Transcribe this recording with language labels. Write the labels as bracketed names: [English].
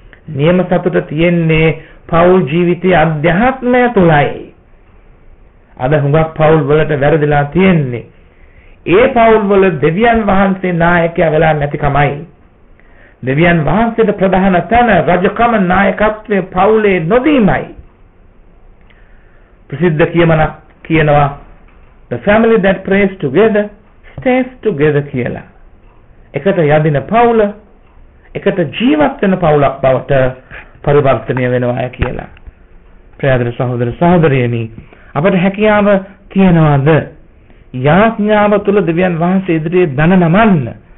[Sinhala] නියම සතුට තියෙන්නේ පවුල් ජීවිතයේ අධ්‍යාත්මය තුළයි. අද හුඟක් පවුල් වලට වැරදිලා තියෙන්නේ ඒ පවුල් වල දෙවියන් වහන්සේ නායකයා වෙලා නැතිකමයි. දෙවියන් වහන්සේට ප්‍රධාන තැන රජකම නායකත්වයේ පවුලේ නොදීමයි. ප්‍රසිද්ධ කියමනක් කියනවා, [English] the family that prays together stays together [Sinhala] කියලා. එකට යදින පවුල එකට ජීවත් වෙන පවුලක් බවට පරිවර්තනය වෙනවා කියලා. ප්‍රියදර සහෝදර සහෝදරියනි, අපට හැකියාව තියනවාද යාඥාව තුළ දෙවියන් වහන්සේ ඉදිරියේ දන නමන්න?